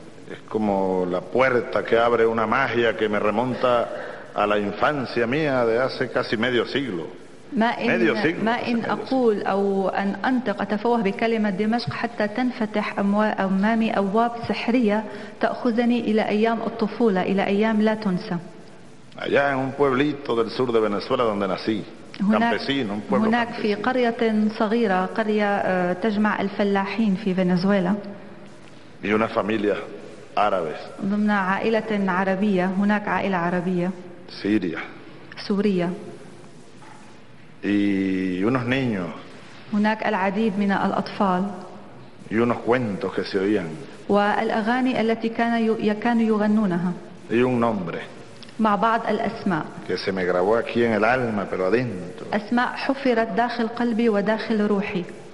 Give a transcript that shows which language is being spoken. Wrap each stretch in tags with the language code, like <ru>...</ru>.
<es>Es como la puerta que abre una magia que me remonta a la infancia mía de hace casi medio siglo.</es> <ar>ما إن أقول أو أن أنطق أتفوه بكلمة دمشق حتى تنفتح أمامي أبواب سحرية تأخذني إلى أيام الطفولة إلى أيام لا تنسى.</ar> <es>Allá en un pueblito del sur de Venezuela donde nací.</es> <ar>هناك في قرية صغيرة قرية تجمع الفلاحين في فنزويلا</ar> <es>y una familia árabe.</es> <ar>ضمن عائلة عربية هناك عائلة عربية</ar> <es>Siria.</es> <ar>سورية</ar> <es>y unos niños.</es> <ar>هناك العديد من الأطفال</ar> <es>y unos cuentos que se oían.</es> <ar>والأغاني التي كانوا يغنونها</ar> <es>y un nombre.</es> <ar>مع بعض الأسماء</ar> <es>que se me grabó aquí en el alma, pero adentro.</es> <ar>أسماء حفرت داخل قلبي وداخل روحي</ar>